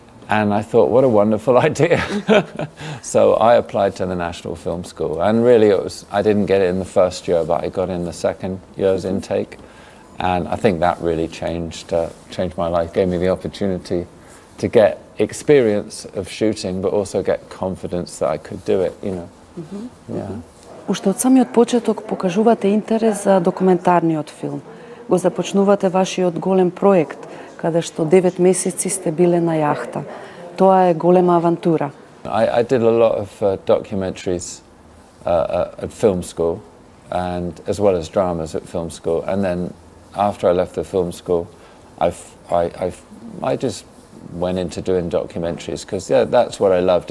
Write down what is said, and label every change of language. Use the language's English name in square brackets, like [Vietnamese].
[English] And I thought, what a wonderful idea. So I applied to the National Film School, and really I didn't get it in the first year, but I got in the second year's intake. And I think that really changed my life, gave me the opportunity to get experience of shooting, but also get confidence that I could do it, you know. Mm-hmm. Yeah. [Macedonian] Уште од самиот почеток покажувате интерес за документарниот филм. Го започнувате вашиот голем проект, каде што 9 месеци сте биле на јахта. Тоа е голема авантура. [English] I did a lot of documentaries at film school, and as well as dramas at film school. And then after I left the film school, I just went into doing documentaries, because yeah, that's what I loved.